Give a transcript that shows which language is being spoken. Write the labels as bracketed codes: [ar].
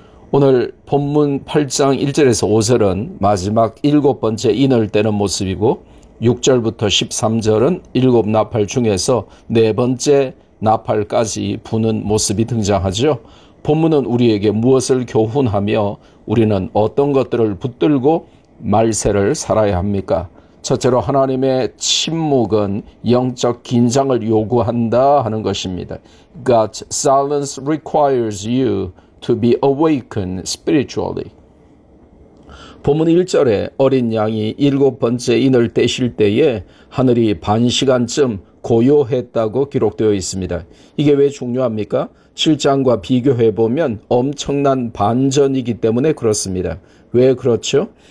[ko] 오늘 본문 8장 1절에서 5절은 마지막 일곱 번째 인을 떼는 모습이고, 6절부터 13절은 일곱 나팔 중에서 네 번째 나팔까지 부는 모습이 등장하죠. 본문은 우리에게 무엇을 교훈하며 우리는 어떤 것들을 붙들고 말세를 살아야 합니까? 첫째로 하나님의 침묵은 영적 긴장을 요구한다 하는 것입니다. [en] God's silence requires you to be awakened spiritually. [ko] 본문 1절에 어린 양이 일곱 번째 인을 떼실 때에 하늘이 반시간쯤 고요했다고 기록되어 있습니다. 이게 왜 중요합니까? 7장과 비교해 보면 엄청난 반전이기 때문에 그렇습니다. 왜 그렇죠?